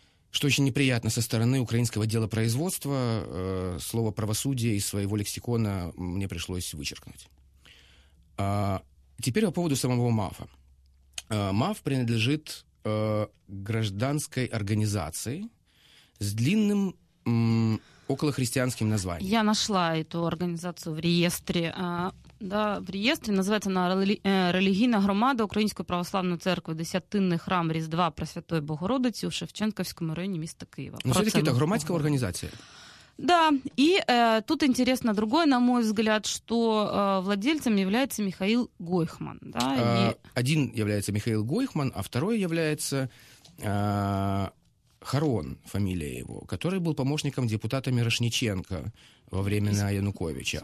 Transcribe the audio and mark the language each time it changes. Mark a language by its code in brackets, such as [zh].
[ru] Что очень неприятно со стороны украинского делопроизводства, слово «правосудие» из своего лексикона мне пришлось вычеркнуть. Теперь по поводу самого МАФа. МАФ принадлежит гражданской организации с длинным... около христианским названием. Я нашла эту организацию в реестре. Да, в реестре называется она «Релігійна громада Української православної церкви, Десятинний храм Різдва Пресвятої Богородиці у Шевченківському районі міста Києва». [uk] Ну, все-таки це громадська організація. [ru] Да, и тут интересно другое, на мой взгляд, что владельцем является Михаил Гойхман. Да, Один является Михаил Гойхман, а второй является Харон, фамилия его, который был помощником депутата Мирошниченко во времена Януковича.